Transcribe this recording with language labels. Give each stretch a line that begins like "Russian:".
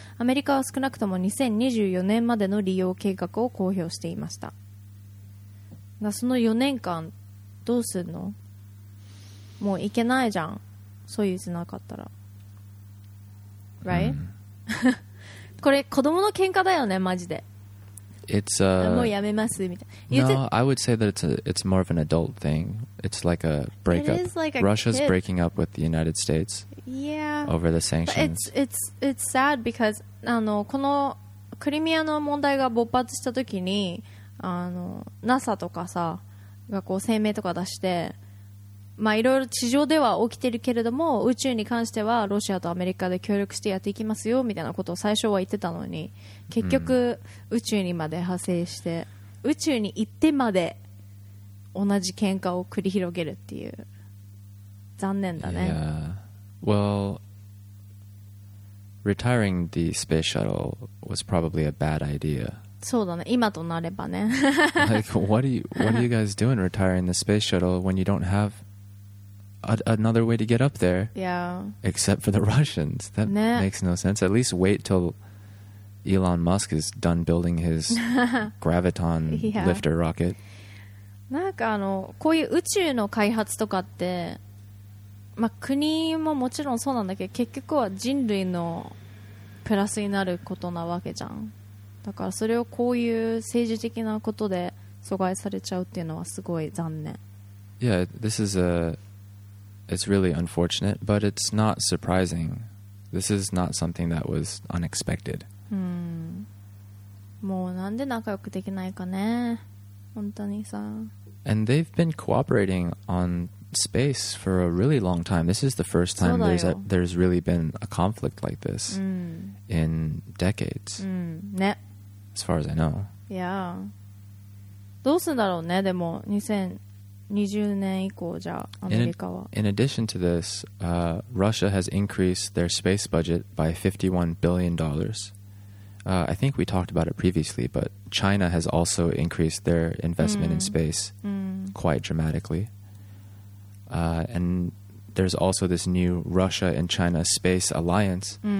Japanese: アメリカは少なくとも2024年までの利用計画を公表していました。その4年間どうするの？もう行けないじゃん、ソユーズなかったら、
English: right?
Japanese: これ子供の喧嘩だよねマジで。
English: It's no, I would say that it's more of an adult thing. It's like a breakup. Russia's breaking up with the United States. Yeah. Over the sanctions. But it's sad because
Japanese: このクリミアの問題が勃発した時に、NASA とかさがこう声明とか出して、まあいろいろ地上では起きてるけれども宇宙に関してはロシアとアメリカで協力してやっていきますよみたいなことを最初は言ってたのに結局宇宙にまで派生して、mm. 宇宙に行ってまで同じ喧嘩を繰り広げるっていう残念だね。
English: Yeah. Well, retiring the space shuttle was probably a bad idea.
Japanese: そうだね、今となればね。
English: Like, what are you guys doing retiring the space shuttle when you don't haveanother way to get up there. Yeah. Except for the Russians. That、ね、makes no sense. At least wait till Elon Musk is done building his Graviton 、yeah. lifter rocket.
Japanese: なんかこういう宇宙の開発とかって、まあ、国ももちろんそうなんだけど、結局は人類のプラスになることなわけじゃん。だからそれをこういう政治的なことで阻害されちゃうっていうのはすごい残念。
English: Yeah, this is aIt's really unfortunate, but it's not surprising. This is not something that was unexpected.
Japanese: もうなんで仲良くできないかね。本当にさ。
English: And they've been cooperating on space for a really long time. This is the first time there's really been a conflict like this in decades.
Japanese: ね。
English: As far as I know. Yeah.
Japanese: どうするんだろうね。でも2020年以降じゃアメリカは。
English: In addition to this, Russia has increased their space budget by $51 billion. I think we talked about it previously, but China has also increased their investment in space quite dramatically. And there's also this new Russia and China Space Alliance.